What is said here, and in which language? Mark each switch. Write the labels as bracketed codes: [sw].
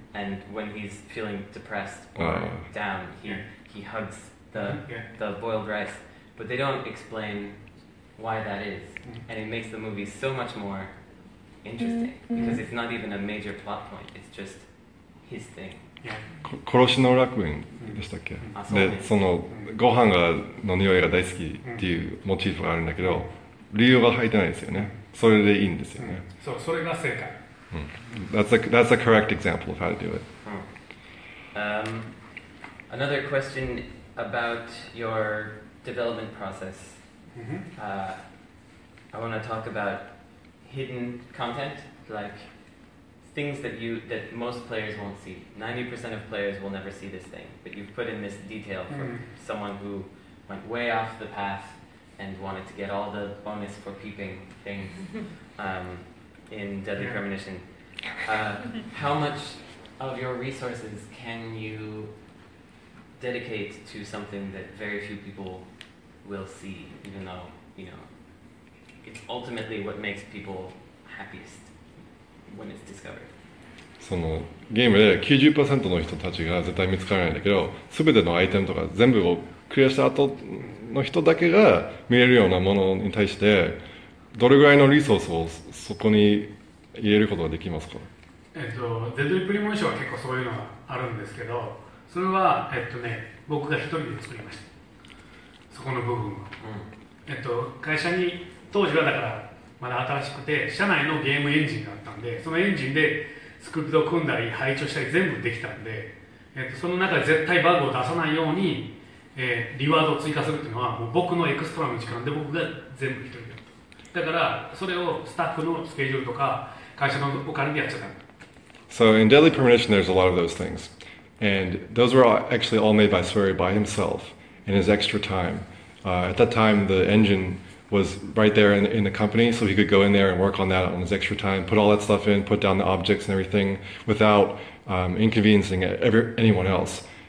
[en] And when he's feeling depressed or down, he hugs the boiled rice. But they don't explain why that is. Mm-hmm. And it makes the movie so much more interesting. Mm-hmm. Because it's not even a major plot point. It's just his thing. Yeah. [ja] 殺しの楽園でしたっけ、うん、でそのご飯がの匂いが大好きっていうモチーフがあるんだけど理由が入ってないですよねそれでいいんですよね、うん、そう、それが正解、 [en] うん、That's a correct example of how to do it、うん、Another question about your development process、 mm-hmm. I want to talk about hidden content likethings that most players won't see. 90% of players will never see this thing, but you've put in this detail for mm-hmm. someone who went way off the path and wanted to get all the bonus for peeping things in Deadly yeah. Premonition. How much of your resources can you dedicate to something that very few people will see, even though, you know, it's ultimately what makes people happiest when it's discovered? [ja] そのゲームで 90% の人たちが絶対見つからないんだけど全てのアイテムとか全部をクリアした後の人だけが見れるようなものに対してどれぐらいのリソースをそこに入れることができますか？デッドリプリモーションは結構そういうのがあるんですけどそれは、ね、僕が一人で作りましたそこの部分は、うん会社に当時はだからまだ新しくて社内のゲームエンジンがあったんでそのエンジンでスクリプトを組んだり配置をしたり全部できたんで、その中で絶対バグを出さないように、リワードを追加するっていうのはもう僕のエクストラの時間で僕が全部一人だと。だからそれをスタッフのスケジュールとか会社のお金でやっちゃった。 [en] So in Deadly Premonition there's a lot of those things. And those were actually all made by Swery by himself in his extra time. At that time the engine was right there in the company, so he could go in there and work on that on his extra time, put all that stuff in, put down the objects and everything without inconveniencing anyone else.